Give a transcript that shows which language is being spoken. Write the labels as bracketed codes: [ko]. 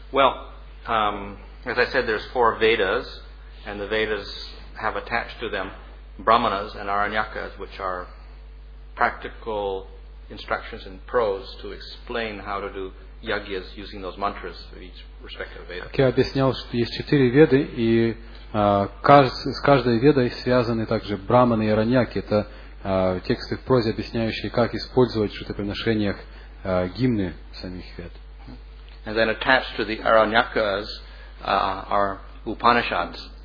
[en] Well, as I said, there's 4 Vedas, and the Vedas have attached to them Brahmanas and Aranyakas, which are practical instructions in prose to explain how to do yagyas using those mantras of each respective Veda. [ru] Я объяснял, что есть четыре веды, и с каждой ведой связаны также браманы и раньяки. Это тексты в прозе, объясняющие, как использовать в жертвоприношениях гимны самих вед. [en] And then attached to the Aranyakas are Upanishads.